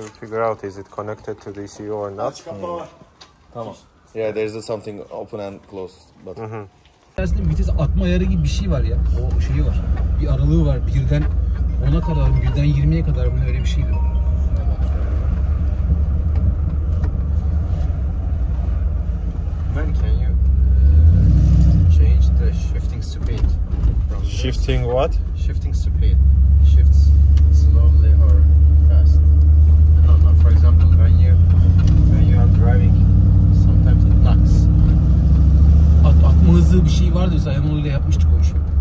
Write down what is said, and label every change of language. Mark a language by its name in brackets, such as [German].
[English] Out is it connected to the ECU or not? Tamam. Yeah, there's something open and closed but. [Turkish] Aslında vites atma ayarı gibi bir şey var ya. O şeyi var. Bir aralığı var. 1'den 10'a kadar, 1'den 20'ye kadar böyle öyle bir şeydi. [English] When can you change the shifting speed? Shifting what? Shifting speed. Shifts slowly or fast? For example, when you are driving, sometimes it knocks. [Turkish] Atma hızı bir şey var diyorsa hem onu da yapmıştık o işi.